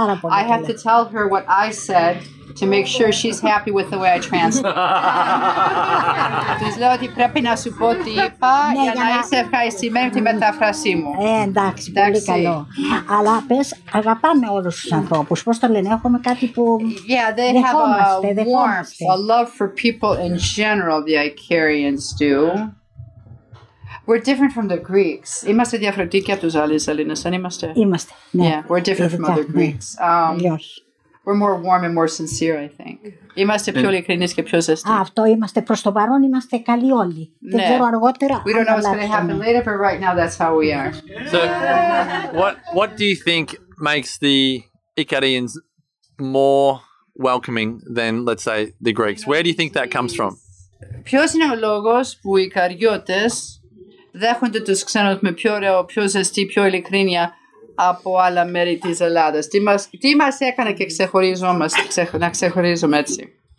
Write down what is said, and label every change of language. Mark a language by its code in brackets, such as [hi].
[en] I have to tell her what I said to make sure she's happy with the way I translate. [el] Τους λέω ότι πρέπει να σου πω τι είπα για να είσαι ευχαριστημένη με τη μετάφρασή μου. Εντάξει, πολύ καλό. Αλλά πες, αγαπάμε όλους τους ανθρώπους. Πώς το λένε, έχουμε κάτι που δεχόμαστε. [en] Yeah, they have a warmth, a love for people in general, the Icarians do. We're different from the Greeks. [el] Είμαστε διαφορετικοί από τους άλλους Ελλήνες, δεν είμαστε. Είμαστε, ναι. [en] Yeah, we're different from other Greeks. We're more warm and more sincere, I think. [el] Είμαστε πιο ειλικρινείς και πιο ζεστοί. Αυτό είμαστε. Προς το παρόν είμαστε καλοί όλοι. Δεν ξέρω αργότερα. [en] We don't know what's going to happen later, but right now that's how we are. So, what do you think makes the Ikarians more welcoming than, let's say, the Greeks? Where do you think that comes from? [el] Ποιος είναι ο λόγος που οι Ικαριώτες δέχονται τους ξένους με πιο ωραίο, πιο ζεστή, πιο ειλικρίνεια από άλλα μέρη της Ελλάδας? Τι μας έκανε και ξεχωρίζουμε έτσι?